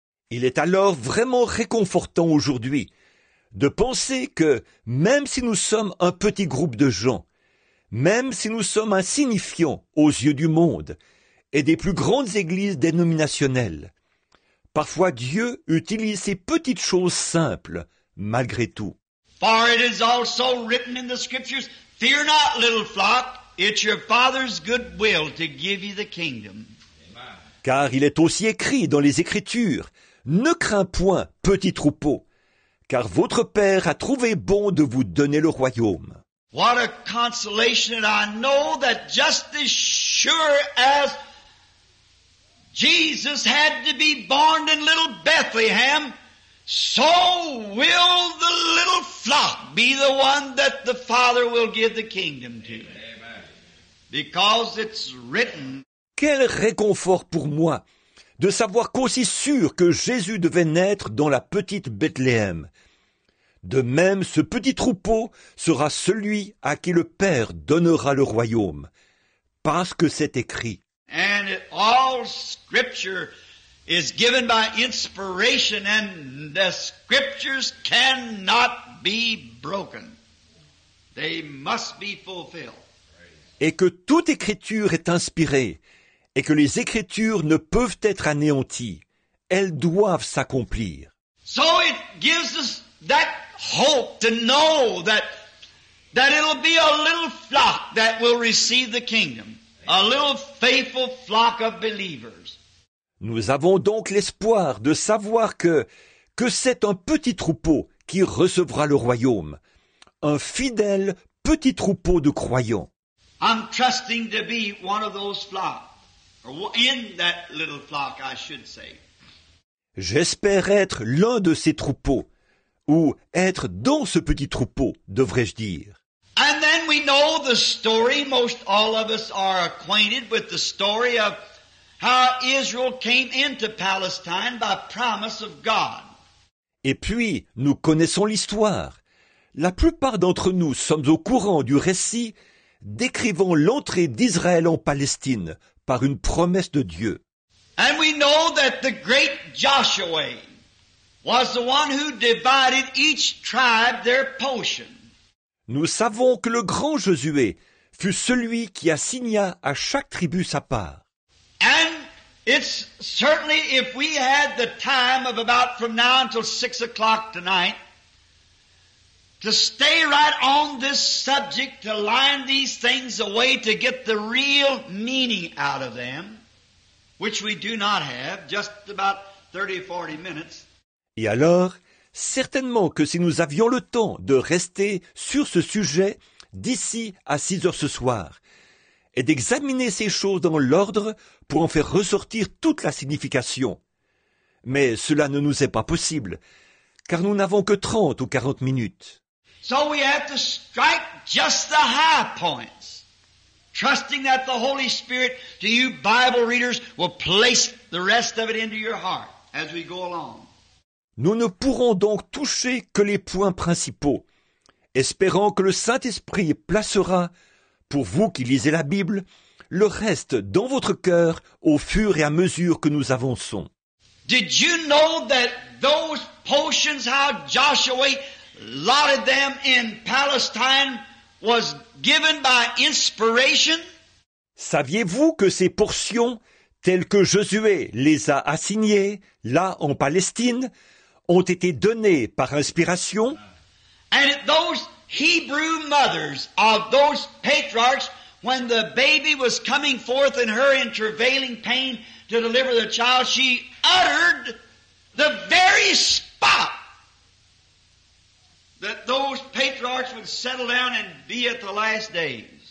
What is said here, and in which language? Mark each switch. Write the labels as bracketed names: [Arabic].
[French] Il est alors vraiment réconfortant aujourd'hui de penser que même si nous sommes un petit groupe de gens, même si nous sommes insignifiants aux yeux du monde et des plus grandes églises dénominationnelles, parfois Dieu utilise ces petites choses simples malgré tout. [English] For it is also written in the scriptures, fear not, little flock, it's your Father's good will to give you the kingdom. [French] Car il est aussi écrit dans les Écritures, ne crains point, petit troupeau, car votre Père a trouvé bon de vous donner le royaume. [English] What a consolation, and I know that just as sure as Jesus had to be born in little Bethlehem, so will the little flock be the one that the Father will give the kingdom to. Amen. Because it's written. [French] Quel réconfort pour moi de savoir qu'aussi sûr que Jésus devait naître dans la petite Bethléem. De même, ce petit troupeau sera celui à qui le Père donnera le royaume, parce que c'est écrit. [English] And all scripture is given by inspiration, and the scriptures cannot be broken. They must be fulfilled. [French] Et que toute écriture est inspirée, et que les écritures ne peuvent être anéanties. Elles doivent s'accomplir. [English] So it gives us that hope to know that it'll be a little flock that will receive the kingdom, a little faithful flock of believers. [French] Nous avons donc l'espoir de savoir que c'est un petit troupeau qui recevra le royaume, un fidèle petit troupeau de croyants. [English] I'm trusting to be one of those flock, or in that little flock, I should say. [French] J'espère être l'un de ces troupeaux, ou être dans ce petit troupeau, devrais-je dire. [English] And then we know the story, most all of us are acquainted with the story of how Israel came into Palestine by promise of God. [French] Et puis, nous connaissons l'histoire. La plupart d'entre nous sommes au courant du récit décrivant l'entrée d'Israël en Palestine par une promesse de Dieu. [English] And we know that the great Joshua was the one who divided each tribe their portion. [French] Nous savons que le grand Josué fut celui qui assigna à chaque tribu sa part. [English] And it's certainly if we had the time of about from now until 6 o'clock tonight to stay right on this subject, to line these things away, to get the real meaning out of them, which we do not have, just about 30 or 40 minutes. [French] Et alors, certainement que si nous avions le temps de rester sur ce sujet d'ici à 6 heures ce soir, et d'examiner ces choses dans l'ordre pour en faire ressortir toute la signification. Mais cela ne nous est pas possible, car nous n'avons que 30 ou 40 minutes. [English] So we have to strike just the high points, trusting that the Holy Spirit, to you Bible readers, will place the rest of it into your heart as we go along. [French] Nous ne pourrons donc toucher que les points principaux, espérant que le Saint-Esprit placera, pour vous qui lisez la Bible, le reste dans votre cœur au fur et à mesure que nous avançons. [English] Did you know that those portions, how Joshua lotted them in Palestine, was given by inspiration? [French] Saviez-vous que ces portions, telles que Josué les a assignées, là en Palestine, ont été données par inspiration? [English] And those Hebrew mothers of those patriarchs, when the baby was coming forth in her in travailing pain to deliver the child, she uttered the very spot that those patriarchs would settle down and be at the last days.